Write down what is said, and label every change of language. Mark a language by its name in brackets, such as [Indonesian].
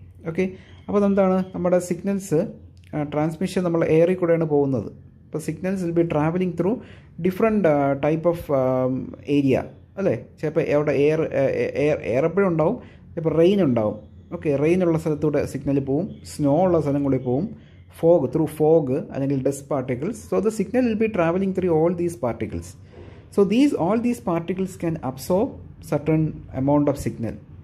[Malayalam] Okay അപ്പോൾ എന്താണ് നമ്മുടെ സിഗ്നൽസ് ട്രാൻസ്മിഷൻ നമ്മൾ എയറിൽ കൂടെയാണ് പോകുന്നത്. [English] The signals will be traveling through different type of area. [Malayalam] അല്ലേ ചിലപ്പോൾ അവിടെ എയർ എയർ എയറപ്പോഴും ഉണ്ടാവും, ചിലപ്പോൾ റെയിൻ ഉണ്ടാവും. ഓക്കെ, റെയിൻ ഉള്ള സ്ഥലത്തൂടെ സിഗ്നൽ പോവും, സ്നോ ഉള്ള സ്ഥലം കൂടി പോവും, ഫോഗ് ത്രൂ ഫോഗ് അല്ലെങ്കിൽ dust particles. [English] So the signal will be travelling through all these particles. So these all these particles can absorb certain amount of signal.